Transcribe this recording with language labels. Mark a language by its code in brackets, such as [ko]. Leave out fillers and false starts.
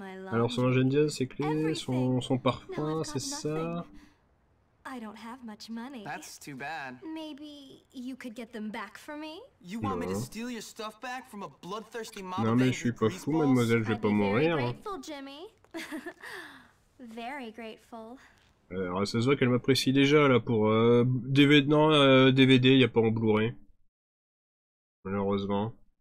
[fr] Alors, son ingénieuse, ses clés, son parfum, c'est ça? [en] I don't have much money. That's too bad. Maybe you could get them back for me? You want me to steal your stuff back from a bloodthirsty mob? [fr] Non mais je suis pas fou, mademoiselle, je vais pas mourir. [en] Very grateful, Jimmy. Very grateful. [fr] Alors ça se voit qu'elle m'apprécie déjà là pour DVD. Non, DVD, il y a pas en Blu-ray. Malheureusement.